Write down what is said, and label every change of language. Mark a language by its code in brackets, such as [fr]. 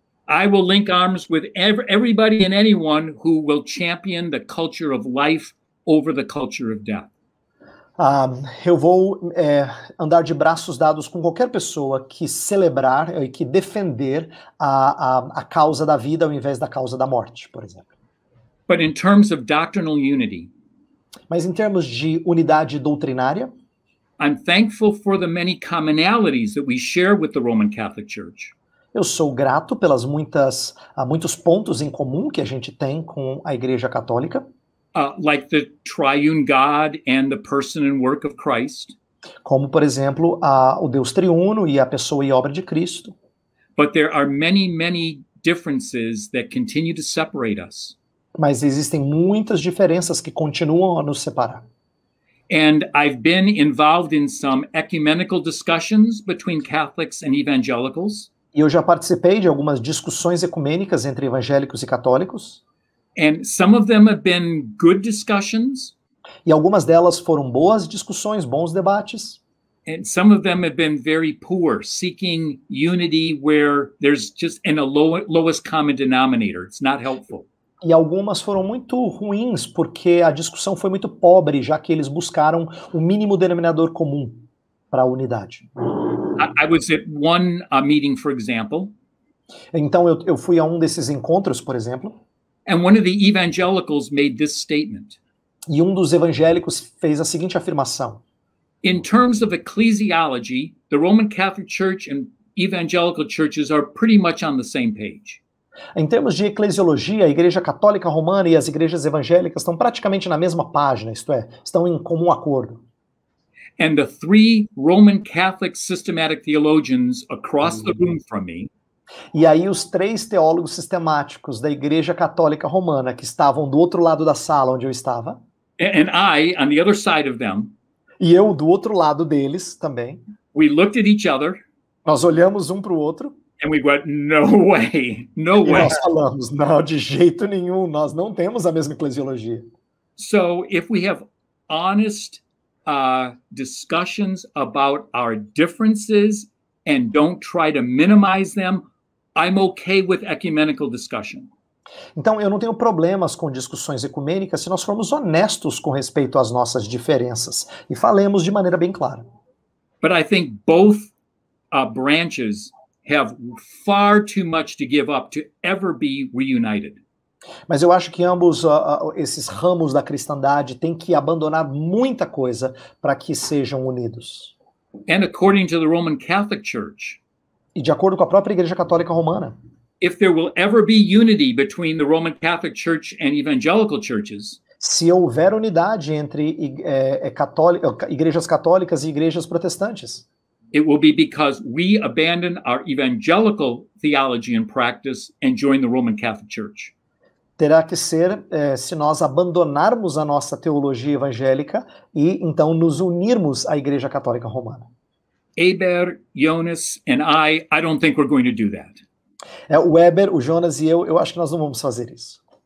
[en] I will link arms with everybody and anyone who will champion the culture of life over the culture of death. [pt] Eu vou andar de braços dados com qualquer pessoa que celebrar e que defender a causa da vida ao invés da causa da morte, por exemplo. [en] But in terms of doctrinal unity, [pt] mas em termos de unidade doutrinária, [en] I'm thankful for the many commonalities that we share with the Roman Catholic Church. [pt] Eu sou grato pelas muitos pontos em comum que a gente tem com a Igreja Católica. [en] Like the triune God and the person and work of Christ. [pt] Como, por exemplo, o Deus triuno e a pessoa e obra de Cristo. [en] But there are many, many differences that continue to separate us. [pt] Mas existem muitas diferenças que continuam a nos separar. [en] And I've been involved in some ecumenical discussions between Catholics and evangelicals. [pt] E eu já participei de algumas discussões ecumênicas entre evangélicos e católicos. [en] And some of them have been good discussions. [pt] E algumas delas foram boas discussões, bons debates. [en] And some of them have been very poor, seeking unity where there's just in a lowest common denominator. It's not helpful. [pt] E algumas foram muito ruins porque a discussão foi muito pobre, já que eles buscaram o mínimo denominador comum para a unidade. [en] I was at one meeting, for example. [pt] Então eu fui a um desses encontros, por exemplo. [en] And one of the evangelicals made this statement. [pt] E um dos evangélicos fez a seguinte afirmação. [en] In terms of ecclesiology, the Roman Catholic Church and evangelical churches are pretty much on the same page. [pt] Em termos de eclesiologia, a Igreja Católica Romana e as igrejas evangélicas estão praticamente na mesma página, isto é, estão em comum acordo. [en] And the three Roman Catholic systematic theologians across the room from me. [pt] E aí os três teólogos sistemáticos da Igreja Católica Romana que estavam do outro lado da sala onde eu estava. [en] And I, on the other side of them. [pt] E eu do outro lado deles também. [en] We looked at each other. [pt] Nós olhamos um para o outro. [en] And we went, no way, no way. [pt] E nós falamos, não, de jeito nenhum, nós não temos a mesma eclesiologia. [en] So, if we have honest discussions about our differences and don't try to minimize them, I'm okay with ecumenical discussion. [pt] Então, eu não tenho problemas com discussões ecumênicas se nós formos honestos com respeito às nossas diferenças e falemos de maneira bem clara. [en] But I think both branches have far too much to give up to ever be reunited. [pt] Mas eu acho que ambos esses ramos da cristandade têm que abandonar muita coisa para que sejam unidos. [en] And according to the Roman Catholic Church, [pt] e de acordo com a própria Igreja Católica Romana, [en] if there will ever be unity between the Roman Catholic Church and evangelical churches, [pt] se houver unidade entre igrejas católicas e igrejas protestantes, [en] It will be because we abandon our evangelical theology and practice and join the Roman Catholic Church. [pt] Terá que ser se nós abandonarmos a nossa teologia evangélica e então nos unirmos à Igreja Católica Romana. [en] Eber, Jonas and I don't think we're going to do that. [pt] O Eber, o Jonas e eu acho que nós não vamos fazer isso.